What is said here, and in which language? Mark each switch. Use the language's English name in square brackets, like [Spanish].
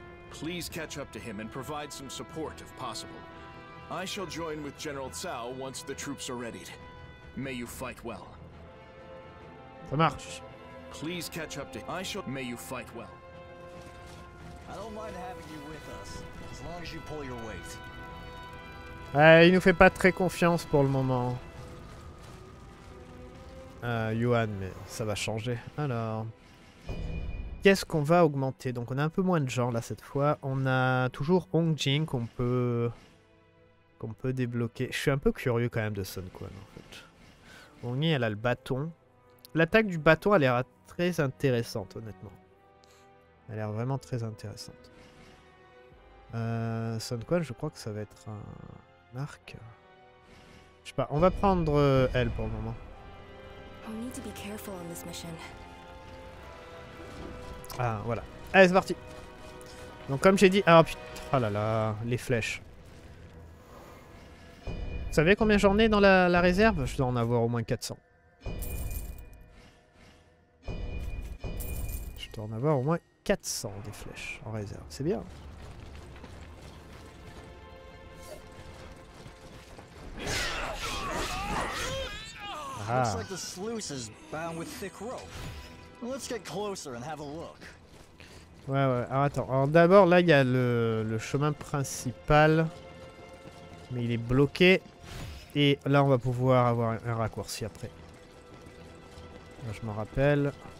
[English] Please catch up to him and provide some support if possible. I shall join with General Cao once the troops are readied. May you fight well. [French] Ça marche. Please catch up to... I shall... May you fight well. [English] I don't mind having you with us, as long as you pull your weight. [French] Il nous fait pas très confiance pour le moment. Yuan, mais ça va changer. Alors... qu'est-ce qu'on va augmenter? Donc on a un peu moins de gens là cette fois. On a toujours Hong Jing qu'on peut... qu'on peut débloquer. Je suis un peu curieux quand même de Sun Quan en fait. Ongi, elle a le bâton. L'attaque du bâton a l'air très intéressante, honnêtement. Elle a l'air vraiment très intéressante. Sun Quan, je crois que ça va être un... Marc. Je sais pas, on va prendre elle pour le moment. [English] We need to be careful on this mission. [French] Ah, voilà. Allez, c'est parti. Donc comme j'ai dit... Ah putain, oh là là, les flèches. Vous savez combien j'en ai dans la réserve? Je dois en avoir au moins 400. Je dois en avoir au moins 400 des flèches en réserve. C'est bien. Ah. [English] Looks like the sluice is bound with thick rope. Let's get closer and have a look. [French] Ouais, ouais. Alors, attends. Alors, d'abord, là, il y a le chemin principal. Mais il est bloqué. Et là, on va pouvoir avoir un raccourci après. Là, je m'en rappelle.